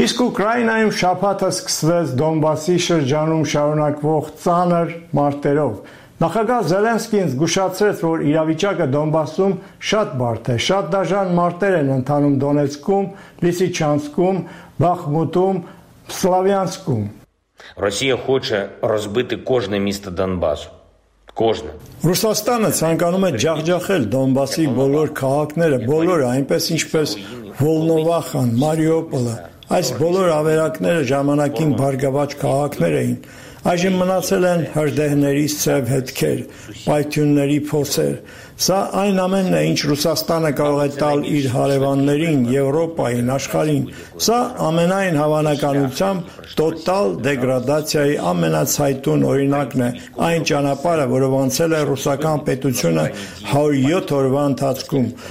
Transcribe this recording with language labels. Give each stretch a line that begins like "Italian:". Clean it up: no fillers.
Armenian: Իսկ Ուկրաինայում շաբաթը սկսվեց Դոնբասի շրջանում շարունակվող ծանր մարտերով։ Նախագահ Զելենսկին զգուշացրեց, որ իրավիճակը Դոնբասում շատ բարդ է, շատ դաժան մարտեր են ընթանում Դոնեցկում, Լիսիչանսկում, Բախմուտում, Սլավյանսկում։
Ukrainian: Ռուսիա хоче розбити кожне місто Донбасу. Кожне.
Armenian: Ռուսաստանը ցանկանում է ջախջախել Դոնբասի բոլոր քաղաքները, բոլորը, այնպես ինչպես Վոլնովախան, Մարիուպոլը, այս բոլոր ավերակները ժամանակին բարգավաճ քաղաքներ էին։ Այժմ մնացել են հրդեհների սև հետքեր, պայթյունների փոսեր։ Սա այն ամենն է, ինչ Ռուսաստանը կարող է տալ իր հարևաններին, Եվրոպային, աշխարհին։ Սա ամենայն հավանականությամբ տոտալ դեգրադացիայի ամենացայտուն օրինակն է, այն ճանապարհը, որով անցել է ռուսական պետությունը 107 օրվա ընթացքում։